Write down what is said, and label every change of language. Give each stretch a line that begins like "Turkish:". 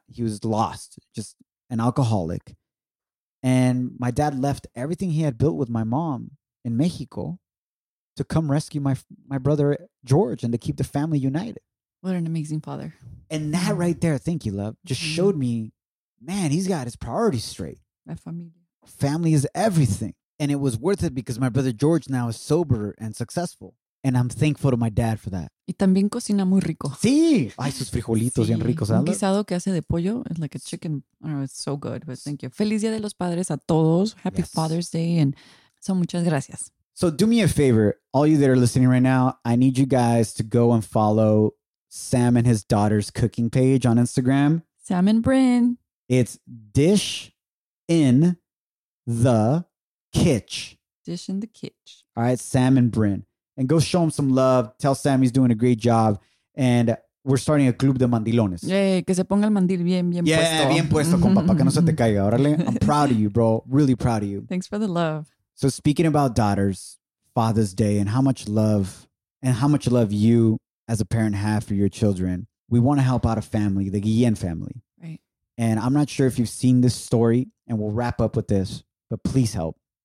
English: He was lost, just an alcoholic. And my dad left everything he had built with my mom in Mexico to come rescue my brother, George, and to keep the family united. What an amazing father. And that right there, thank you, love, just mm-hmm. showed me, man, he's got his priorities straight. My family. Family is everything. And it was worth it because my brother George now is sober and successful. And I'm thankful to my dad for that.
Spanish: Y también cocina muy rico. Sí. Ay, sus frijolitos sí. bien ricos. Un guisado que hace de pollo.
English: It's like a chicken. I don't know, it's so good. But thank you.
Spanish: Feliz Día de los Padres a todos.
English: Happy yes. Father's Day. And so
Spanish: muchas gracias.
English: So do me a favor. All you that are listening right now, I need you guys to go and follow Sam and his daughter's cooking page on Instagram. Sam and Bryn. It's Dish in the Kitch. Dish in the Kitch. All right, Sam and Bryn. And go show him some love. Tell Sam he's doing a great job. And we're starting a
Spanish: club de mandilones. Yeah, que se ponga el mandil bien
English: yeah,
Spanish: puesto. Yeah, bien puesto, compa, para que no se te caiga.
English: Órale. I'm proud of you, bro. Really proud of you. Thanks for the love. So speaking about daughters, Father's Day, and how much love you as a parent have for your children, we want to help out a family, the Guillen family. Right. And I'm not sure if you've seen this story, and we'll wrap up with this, but please help.